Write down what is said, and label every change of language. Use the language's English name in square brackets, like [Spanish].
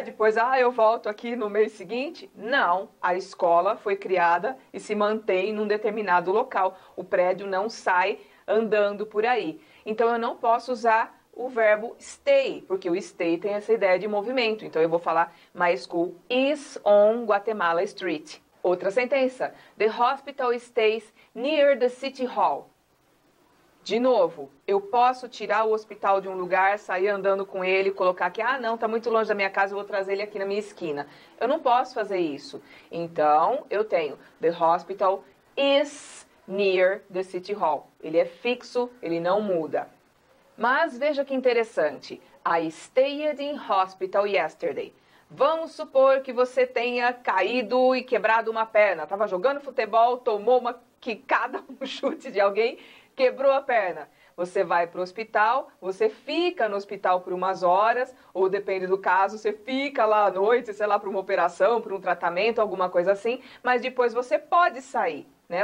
[Portuguese] Depois, ah, eu volto aqui no mês seguinte? Não, a escola foi criada e se mantém num determinado local. O prédio não sai andando por aí. Então, eu não posso usar o verbo stay, porque o stay tem essa ideia de movimento. Então, eu vou falar: [English] My school is on Guatemala Street. [Portuguese] Outra sentença: [English] The hospital stays near the city hall. [Portuguese] De novo, eu posso tirar o hospital de um lugar, sair andando com ele, colocar aqui, ah, não, está muito longe da minha casa, eu vou trazer ele aqui na minha esquina. Eu não posso fazer isso. Então, eu tenho [English] The hospital is near the city hall. [Portuguese] Ele é fixo, ele não muda. Mas veja que interessante. [English] I stayed in hospital yesterday. [Portuguese] Vamos supor que você tenha caído e quebrado uma perna. Estava jogando futebol, tomou uma quicada, um chute de alguém. Quebrou a perna. Você vai para o hospital, você fica no hospital por umas horas, ou depende do caso, você fica lá à noite, sei lá, para uma operação, para um tratamento, alguma coisa assim, mas depois você pode sair, né?